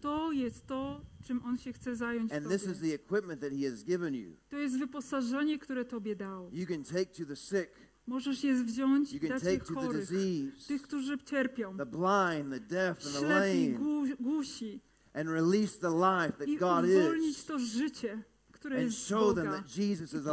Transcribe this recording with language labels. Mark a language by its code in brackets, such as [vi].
[pl] To jest to, czym on się chce zająć [en] and this is the equipment that he has given you. [pl] To jest wyposażenie, które tobie dał. [en] You can take to the sick. [pl] Możesz je wziąć, [en] you can [pl] dać [en] take [pl] ich chorych, [en] to the disease, [pl] tych, którzy cierpią, [en] the blind, the deaf, and the lame, [pl] głusi, [en] and release the life that God is. [pl] I uwolnić to życie. [en] And show them that Jesus is alive,